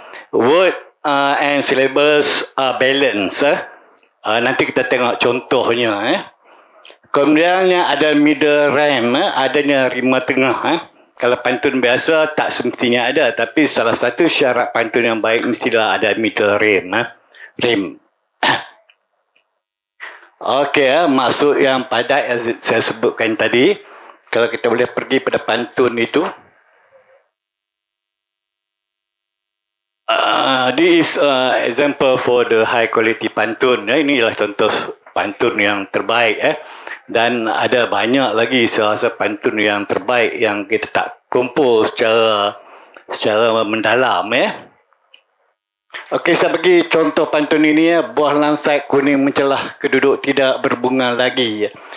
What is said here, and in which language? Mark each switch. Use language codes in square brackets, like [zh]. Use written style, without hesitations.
[en] Word and syllables are balance. [ms] Nanti kita tengok contohnya. Kemudiannya ada middle rhyme, adanya rima tengah. Kalau pantun biasa tak semestinya ada, tapi salah satu syarat pantun yang baik mestilah ada middle rhyme. Okey, maksud yang padat yang saya sebutkan tadi. Kalau kita boleh pergi pada pantun itu. [en] This is example for the high quality pantun. [ms] Ini ialah contoh pantun yang terbaik. Dan ada banyak lagi sahaja pantun yang terbaik yang kita tak kumpul secara mendalam. Okey, saya bagi contoh pantun ini. Buah langsat kuning mencelah, keduduk tidak berbunga lagi.